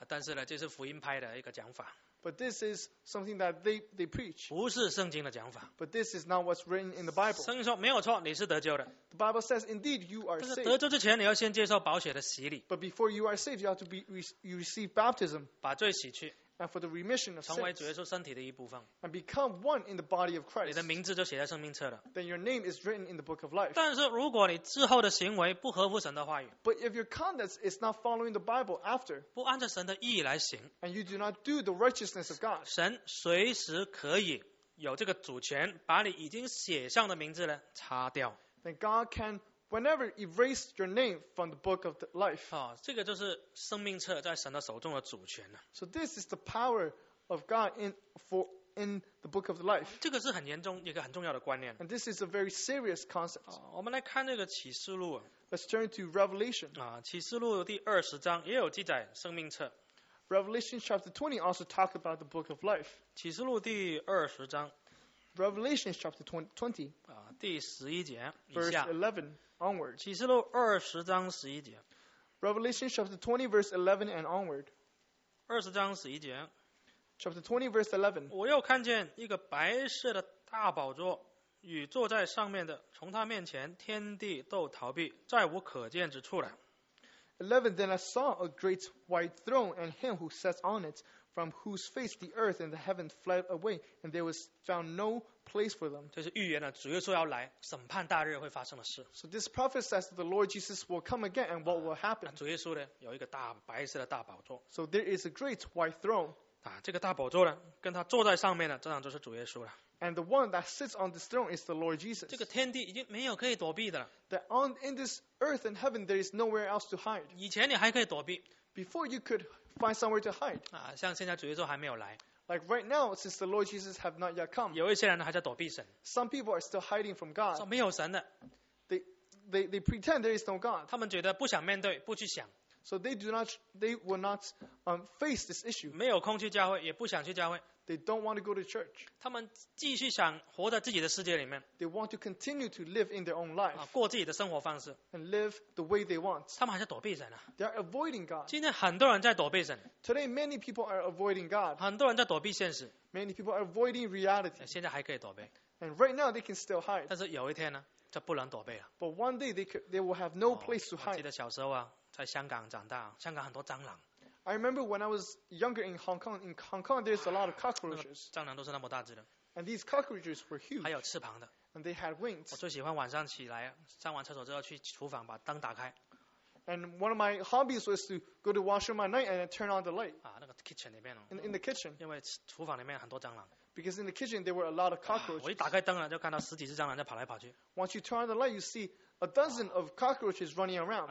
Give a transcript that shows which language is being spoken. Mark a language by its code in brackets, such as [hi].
[zh] 但是呢，这是福音派的一个讲法。 [en] But this is something that they preach. [zh] 不是圣经的讲法。 [en] But this is not what's written in the Bible. [zh] 圣经说没有错，你是得救的。 [en] The Bible says indeed you are saved. [zh] 但是得救之前，你要先接受宝血的洗礼。 [en] But before you are saved, you have to be you receive baptism. [zh] 把罪洗去。 [en] And for the remission of sins. [zh] 成为主耶稣身体的一部分。 [en] And become one in the body of Christ. [zh] 你的名字就写在生命册了。 [en] Then your name is written in the book of life. [zh] 但是如果你之后的行为不合乎神的话语。 [en] But if your conduct is not following the Bible after. [zh] 不按着神的意义来行。 [en] And you do not do the righteousness of God. [zh] 神随时可以有这个主权把你已经写上的名字呢擦掉。 [en] Then God can whenever erase your name from the book of life. [zh] 这个就是生命册在神的手中的主权。 [en] So this is the power of God in the book of life. [zh] 这个是很严重一个很重要的观念。 [en] And this is a very serious concept. [zh] 我们来看这个启示录。 [en] Let's turn to Revelation. [zh] 启示录第二十章也有记载生命册。 [en] Revelation chapter 20 also talks about the book of life. [zh] 启示录第二十章。 [en] Revelation chapter 20. [zh] 第十一节。 [en] Verse 11. Onward. [zh] 启示录二十章十一节。 [en] Revelation chapter 20 verse 11 and onward. [zh] 二十章十一节。 [en] Chapter 20 verse 11. [zh] 我又看见一个白色的大宝座，与坐在上面的，从他面前天地都逃避，再无可见之处了。 [en] 11. Then I saw a great white throne, and him who sat on it, from whose face the earth and the heaven fled away, and there was found no place for them. [zh] 这是预言了主耶稣要来审判大日会发生的事。 [en] So this prophet says that the Lord Jesus will come again, and what will happen? [zh] 主耶稣呢有一个大白色的大宝座。 [en] So there is a great white throne. [zh] 这个大宝座呢，跟他坐在上面的，这样就是主耶稣了。 [en] And the one that sits on this throne is the Lord Jesus. [zh] 这个天地已经没有可以躲避的了。 [en] That in this earth and heaven, there is nowhere else to hide. [zh] 以前你还可以躲避。 [en] Before you could find somewhere to hide. [zh] 像现在主耶稣还没有来。 [en] Like right now, since the Lord Jesus have not yet come. [zh] 有一些人还在躲避神。 [en] Some people are still hiding from God. [zh] 说没有神的。 [en] They pretend there is no God. [zh] 他们觉得不想面对，不去想。 [en] So they will not face this issue. [zh] 没有空去教会，也不想去教会。 [en] They don't want to go to church. [zh] 他们继续想活在自己的世界里面。 [en] They want to continue to live in their own life. [zh] 过自己的生活方式。 [en] And live the way they want. [zh] 他们还在躲避神啊。 [en] They are avoiding God. [zh] 今天很多人在躲避神。 [en] Today many people are avoiding God. [zh] 很多人在躲避现实。 [en] Many people are avoiding reality. [zh] 现在还可以躲避。 [en] And right now they can still hide. [zh] 但是有一天呢，就不能躲避了。 [en] But one day they will have no place to hide. [zh] 我记得小时候啊，在香港长大，香港很多蟑螂。 [en] I remember when I was younger in Hong Kong. In Hong Kong, there's a lot of cockroaches. [zh] 蟑螂都是那么大只的。 [en] And these cockroaches were huge. [zh] 还有翅膀的。 [en] And they had wings. [zh] 我最喜欢晚上起来，上完厕所之后去厨房把灯打开。 [en] And one of my hobbies was to go to washroom at night and turn on the light. [zh] 那个 kitchen 里面哦。 [en] In the kitchen. [zh] 因为厨房里面很多蟑螂。 [en] Because in the kitchen there were a lot of cockroaches. [zh] 我一打开灯了，就看到十几只蟑螂在跑来跑去。 [en] Once you turn on the light, you see a dozen of cockroaches running around.